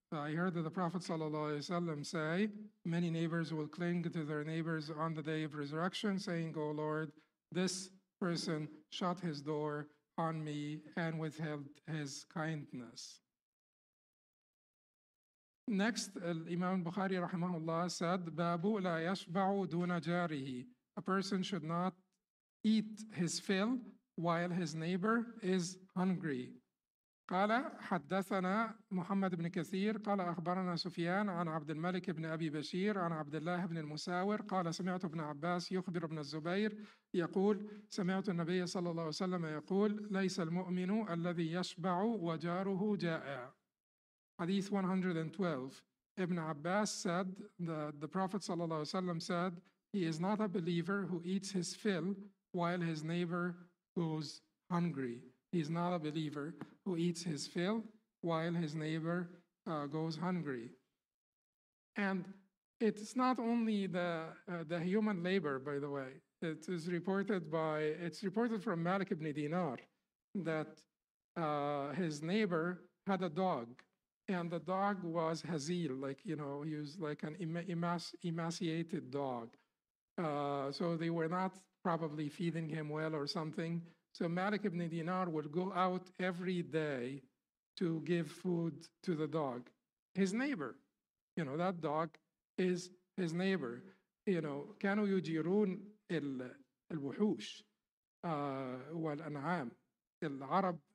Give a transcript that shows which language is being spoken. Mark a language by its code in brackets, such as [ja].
[en] I heard that the Prophet ﷺ say, many neighbors will cling to their neighbors on the day of resurrection, saying, "Oh Lord, this person shut his door on me and withheld his kindness." Next, Imam Bukhari rahimahullah said, [ar] "Babu la yashba'u duna jarihi." [en] A person should not eat his fill while his neighbor is hungry. [ar] قال حدثنا محمد بن كثير قال أخبرنا سفيان عن عبد الملك بن أبي بشير عن عبد الله بن المساور قال سمعت ابن عباس يخبر ابن الزبير يقول سمعت النبي صلى الله عليه وسلم يقول ليس المؤمن الذي يشبع وجاره جائع. [en] Hadith 112. Ibn Abbas said that the Prophet صلى الله عليه وسلم said, he is not a believer who eats his fill while his neighbor goes hungry. He's not a believer who eats his fill while his neighbor goes hungry. And it's not only the human labor, by the way. It is reported by, it's reported from Malik ibn Dinar that his neighbor had a dog, and the dog was hazil, like, you know, he was like an emaciated dog. So they were not probably feeding him well or something. So Malik ibn Dinar would go out every day to give food to the dog, his neighbor. You know, that dog is his neighbor. You know, [ar] كانوا يجيرون الوحوش والأنعام. العرب